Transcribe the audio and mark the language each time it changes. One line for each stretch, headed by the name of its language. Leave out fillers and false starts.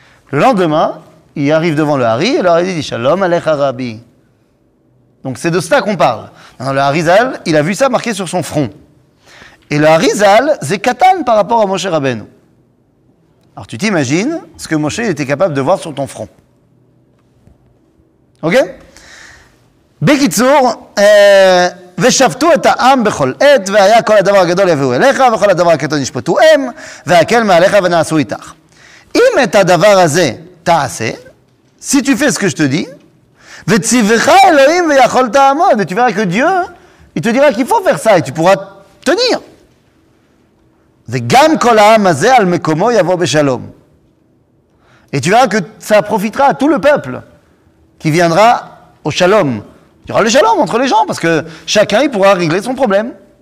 French: Le lendemain, il arrive devant le Hari, et le Hari dit « Shalom Alech Arabi ». Donc c'est de ça qu'on parle. Le Harizal, il a vu ça marqué sur son front. Et le Harizal, c'est katan par rapport à Moshe Rabbeinu. Alors tu t'imagines ce que Moshe était capable de voir sur ton front. Ok ?
Hebrew: Bekitsour, ושבתו את העם בכל עת, והיה כל הדבר הגדול יביאו אליך, וכל הדבר הקטון ישפטו הם, והקל מעליך ונעשו איתך. אם את הדבר הזה תעשה,
French: si tu fais ce que je te dis,
Hebrew: וציווך אלוהים ויכול תעמוד,
French: et tu verras que Dieu, il te dira qu'il faut faire ça, et tu pourras tenir.
Hebrew: וגם כל העם הזה על מקומו יבוא בשלום.
French: Et tu verras que ça profitera à tout le peuple qui viendra au shalom. Il y aura le shalom entre les gens, parce que chacun, il pourra régler son problème.